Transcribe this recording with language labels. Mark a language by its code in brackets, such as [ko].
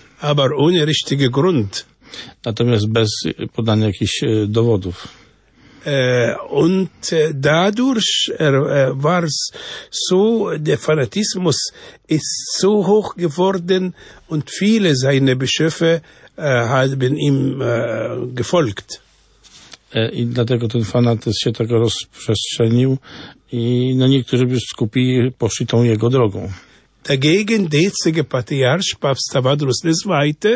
[de] Aber ohne richtige Grund. [pl] Natomiast bez podania jakichś dowodów. [de] Und dadurch war es so, der Fanatismus ist so hoch geworden und viele seiner Bischöfe haben ihm gefolgt. [pl] I dlatego ten fanatyzm się tak rozprzestrzenił i no niektórzy biskupi poszli tą jego drogą. [de] Dagegen derzeitige Patriarch Papst Tawadros II.